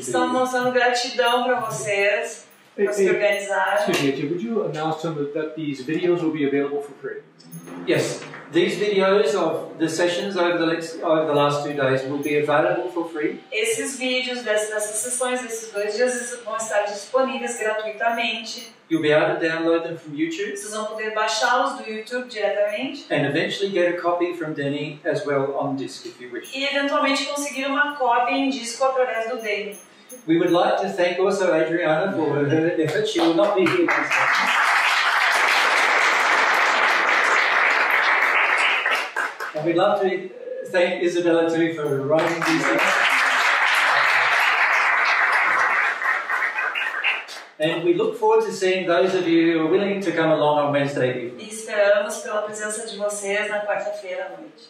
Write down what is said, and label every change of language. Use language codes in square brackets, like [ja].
[pt] Estamos mostrando gratidão para vocês, para se organizar. [en] Excuse me, would you announce to them that these videos will be available for free? Yes, these videos of the sessions over the last 2 days will be available for free. [pt] Esses vídeos dessas sessões, esses 2 dias, vão estar disponíveis gratuitamente. [en] You'll be able to download them from YouTube. [pt] Vocês vão poder baixá-los do YouTube diretamente. [en] And eventually get a copy from Denny as well on disc if you wish. [pt] E eventualmente conseguir uma cópia em disco através do Denny. [en] We would like to thank also Adriana for her effort. She will not be here this time. And we'd love to thank Isabella too for writing these things. And we look forward to seeing those of you who are willing to come along on Wednesday evening. [pt] E esperamos pela presença de vocês na quarta-feira à noite.